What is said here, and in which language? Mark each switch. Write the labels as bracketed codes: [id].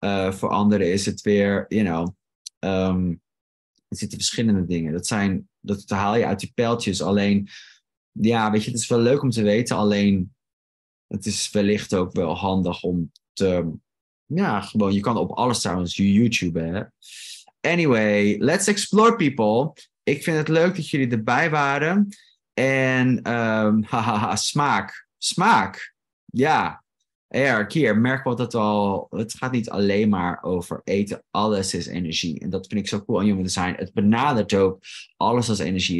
[nl] Voor anderen is het weer, [en] you know, [nl] er zitten verschillende dingen. Dat haal je uit die pijltjes. Alleen, ja, weet je, het is wel leuk om te weten. Alleen, het is wellicht ook wel handig om te, ja, gewoon, je kan op alles trouwens YouTube, hè. [en] Anyway, let's explore, people. [nl] Ik vind het leuk dat jullie erbij waren. En, smaak. Smaak. Ja. Erik, hier, merk wat dat al. Het gaat niet alleen maar over eten. Alles is energie. En dat vind ik zo cool aan human design. Het benadert ook alles als energie.